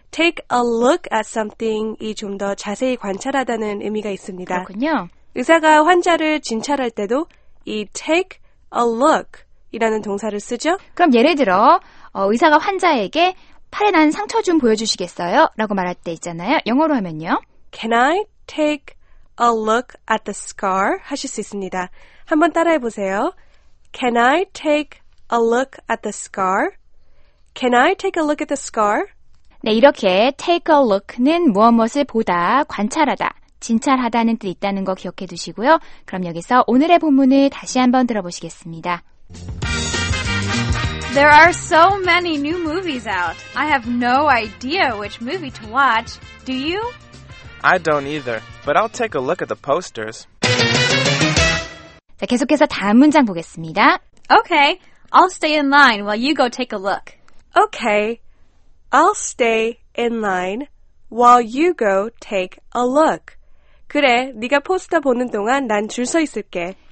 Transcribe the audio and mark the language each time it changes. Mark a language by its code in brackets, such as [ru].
[en] Take a look at something [ko] 이 좀 더 자세히 관찰하다는 의미가 있습니다. 그렇군요. 의사가 환자를 진찰할 때도 이 take a look 이라는 동사를 쓰죠. 그럼 예를 들어 의사가 환자에게 팔에 난 상처 좀 보여주시겠어요? 라고 말할 때 있잖아요. 영어로 하면요. [en] Can I take a look at the scar? [ko] 하실 수 있습니다. 한번 따라해 보세요. [en] Can I take a look at the scar? Can I take a look at the scar? [ko] 네, 이렇게 take a look는 무엇을 보다 관찰하다. 진찰하다는 뜻 있다는 거 기억해 두시고요. 그럼 여기서 오늘의 본문을 다시 한번 들어보시겠습니다. [en] There are so many new movies out. I have no idea which movie to watch. Do you? I don't either, but I'll take a look at the posters. [ko] 자, 계속해서 다음 문장 보겠습니다. [en] Okay, I'll stay in line while you go take a look. Okay, I'll stay in line while you go take a look. [ko] 그래, 네가 포스터 보는 동안 난 줄 서 있을게.